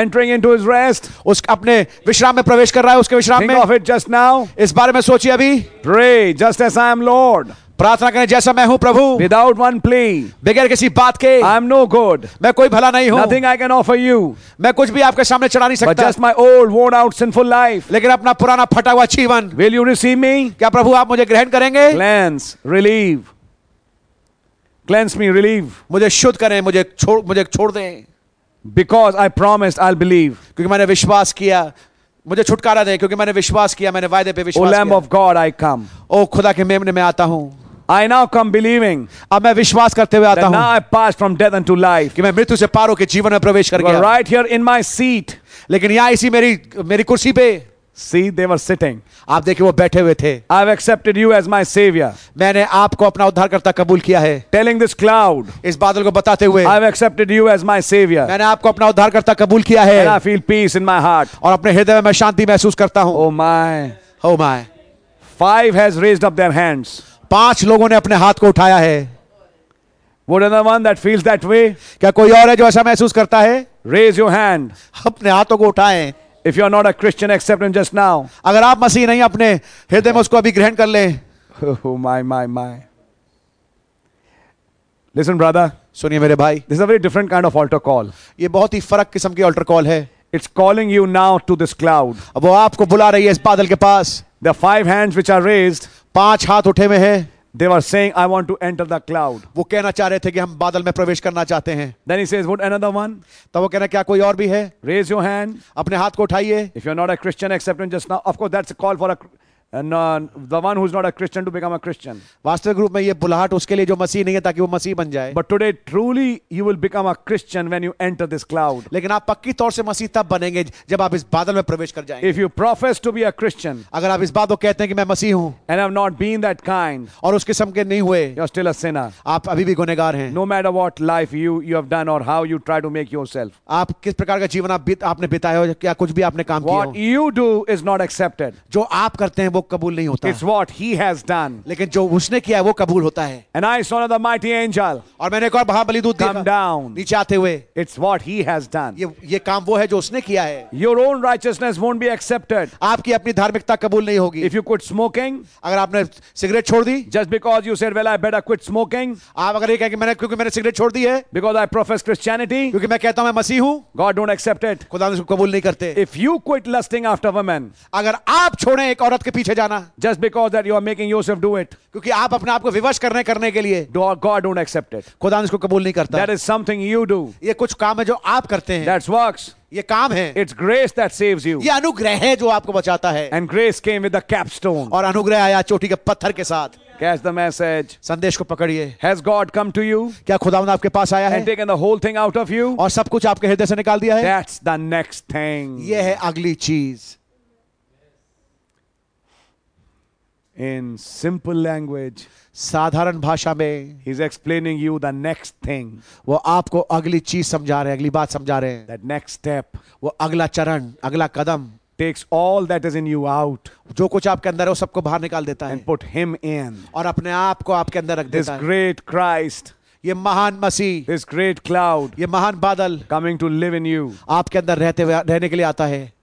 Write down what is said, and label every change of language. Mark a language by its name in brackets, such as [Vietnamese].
[English] Entering into his rest. [Hindi] उस अपने विश्राम में प्रवेश कर रहा है. उसके विश्राम में. [English] Think of it just now. [Hindi] इस बारे में सोचिए अभी. [English] Pray just as I am Lord. [Hindi] प्रार्थना करें जैसा मैं हूं प्रभु. [English] Without one plea. [Hindi] बगैर किसी बात के. [English] I am no good. [Hindi] मैं कोई भला नहीं हूं. [English] Nothing I can offer you. [Hindi] मैं कुछ भी आपके सामने चढ़ा नहीं सकता. [English] But just my old, worn out, sinful life. [Hindi] लेकिन अपना पुराना फटा हुआ जीवन. [English] Will you receive me. [Hindi] क्या प्रभु आप मुझे ग्रहण करेंगे. [English] Cleanse relieve. Cleanse me relieve. [Hindi] मुझे शुद्ध करें. मुझे छोड़ दें. [English] Because I promised I will believe. [Hindi] क्योंकि मैंने विश्वास किया. मुझे छुटकारा दे क्योंकि मैंने विश्वास किया. मैंने वायदे पे विश्वास किया. [English] O lamb of God I come. [Hindi] ओ खुदा के मेमने में आता हूं. [English] I now come believing. [Hindi] अब मैं विश्वास करते हुए आता हूं. [English] Now I pass from death unto life. [Hindi] कि मैं मृत्यु से पार होकर जीवन में प्रवेश कर गया. [English] Right here in my seat. [Hindi] लेकिन यहां इसी मेरी कुर्सी पे. [English] See, they were sitting. [Hindi] आप देखिए वो बैठे हुए थे. [English] I've accepted you as my savior. [Hindi] मैंने आपको अपना उद्धारकर्ता कबूल किया है. [English] Telling this cloud. [Hindi] इस बादल को बताते हुए. [English] I've accepted you as my savior. [Hindi] मैंने आपको अपना उद्धारकर्ता कबूल किया है. [English] And I feel peace in my heart. [Hindi] और अपने हृदय में मैं शांति महसूस करता हूं. [English] Oh my. Five has raised up their hands. [Hindi] पांच लोगों ने अपने हाथ को उठाया है. [English] Would another one that feels that way? [Hindi] क्या कोई और है जो ऐसा महसूस करता है? [English] Raise your hand. [Hindi] अपने हाथों को उठाएं. [English] If you are not a Christian, accept him just now. [Hindi] अगर आप मसीह नहीं अपने हृदय में उसको अभी ग्रहण कर लें. [English] Oh my. Listen, brother. [Hindi] सुनिए मेरे भाई. [English] This is a very different kind of altar call. [Hindi] ये बहुत ही फर्क किस्म की altar call है. [English] It's calling you now to this cloud. [Hindi] अब वो आपको बुला रही है इस बादल के पास. [English] The five hands which are raised. [Hindi] पांच हाथ उठे हुए हैं. [English] They were saying, I want to enter the cloud. [Hindi] वो कहना चाह रहे थे कि हम बादल में प्रवेश करना चाहते हैं. [English] Then he says, would another one? [Hindi] तो वो कहना क्या कोई और भी है? [English] Raise your hand. [Hindi] अपने हाथ को उठाइए. [English] If you're not a Christian, accept him just now. Of course, that's a call for the one who's not a Christian to become a Christian. [Hindi] वास्तविक रूप में ये बुलाहट उसके लिए जो मसीह नहीं है ताकि वो मसीह बन जाए. [English] But today, truly, you will become a Christian when you enter this cloud. [Hindi] लेकिन आप पक्की तौर से मसीह तब बनेंगे जब आप इस बादल में प्रवेश कर जाएंगे. [English] If you profess to be a Christian, [Hindi] अगर आप इस बात को कहते हैं कि मैं मसीह हूँ, [English] and I've not been that kind, [Hindi] और उस किस्म के नहीं हुए, [English] you're still a sinner. [Hindi] आप अभी भी गुनेगार हैं. [English] No matter what life you have done or how you try to make yourself, [Hindi] आप किस प्रकार का जीवन आपने बिताया हो या कुछ भी आपने काम किया हो, [English] what you do is not accepted. [Hindi] जो आप करते हैं वो कबूल नहीं होता. [English] It's what he has done. [Hindi] लेकिन जो उसने किया है वो कबूल होता है. [English] And I saw another mighty angel. [Hindi] और मैंने एक और महाबली दूत देखा. [English] Come down. [Hindi] नीचे आते हुए. [English] It's what he has done. [Hindi] ये काम वो है जो उसने किया है. [English] Your own righteousness won't be accepted. [Hindi] आपकी अपनी धार्मिकता कबूल नहीं होगी. [English] If you quit smoking. [Hindi] अगर आपने सिगरेट छोड़ दी. [English] Just because you said, well, I better quit smoking. [Hindi] आप अगर ये कहें कि मैंने क्योंकि मैंने सिगरेट छोड़ दी है. [English] Because I profess Christianity. [Hindi] क्योंकि मैं कहता हूँ मैं मसीह हूँ. [English] God don't accept it. [Hindi] खुदा उसको कबूल नहीं करते. [English] If you quit lusting after women. [Hindi] अगर आप छोड़े एक औरत के पीछे जाना. [English] Just because that you are making yourself do it. [Hindi] क्योंकि आप अपने आप को विवश करने के लिए. [English] God don't accept it. [Hindi] खुदा इसको कबूल नहीं करता. [English] That is something you do. [Hindi] ये कुछ काम है जो आप करते हैं. [English] That's works. [Hindi] ये काम है. [English] It's grace that saves you. [Hindi] ये अनुग्रह है जो आपको बचाता है. [English] And grace came with the capstone. [Hindi] और अनुग्रह आया चोटी के पत्थर के साथ. [English] Catch the message. [Hindi] संदेश को पकड़िए. [English] Has God come to you? [Hindi] क्या खुदावंद आपके पास आया है? [English] And taken the whole thing out of you? [Hindi] और सब कुछ आपके हृदय से निकाल दिया है? [English] That's the next thing. [Hindi] ये है अगली चीज. [English] In simple language. [Hindi] साधारण भाषा में. [English] He's explaining you the next thing. [Hindi] वो आपको अगली चीज समझा रहे हैं, अगली बात समझा रहे हैं. [English] That next step. [Hindi] वो अगला चरण, अगला कदम. [English] Takes all that is in you out. [Hindi] जो कुछ आपके अंदर है वो सबको बाहर निकाल देता है. [English] And put him in. [Hindi] और अपने आप को आपके अंदर रख देता है. [English] This great Christ. [Hindi] ये महान मसीह. [English] This great cloud. [Hindi] ये महान बादल. [English] Coming to live in you. [Hindi] आपके अंदर रहते हुए रहने के लिए आता है.